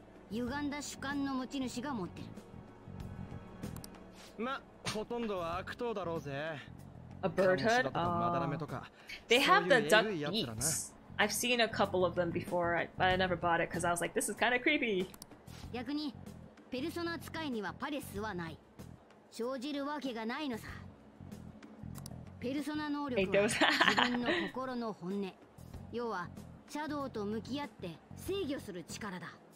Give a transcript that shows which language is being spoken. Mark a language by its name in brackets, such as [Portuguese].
[Japanese] 歪んだ主観の持ち主が持ってる。ま、ほとんどは悪党だろうぜ。 [English] A bird hood? They have the duck beaks. I've seen a couple of them before, but I never bought it because I was like, this is kind of creepy. [Japanese] 逆に、ペルソナ使いにはパレスはない。生じるわけがないのさ。ペルソナ能力は自分の心の本音。要は、シャドウと向き合って制御する力だ。